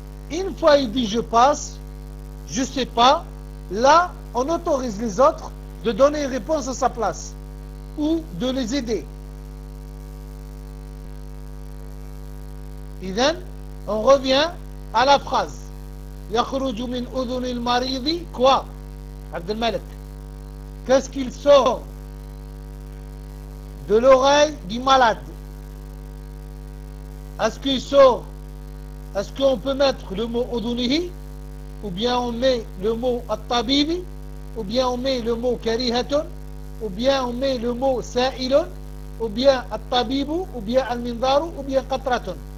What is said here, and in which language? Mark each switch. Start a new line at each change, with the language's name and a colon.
French: Une fois il dit je passe, je sais pas, là, on autorise les autres de donner une réponse à sa place ou de les aider. Et then, on revient à la phrase.
Arabic: يخرج من أذن المريض quoi? عبد الملك.
French: Qu'est-ce qu'il sort de l'oreille du malade? Est-ce qu'il sort? Est-ce qu'on peut mettre le mot أذنهي ou bien on met le mot الطبيب? Ou bien on met le mot karihatun, ou bien on met le mot sa'ilun, ou bien at-tabibu, ou bien al-mindaru, ou bien qatratun.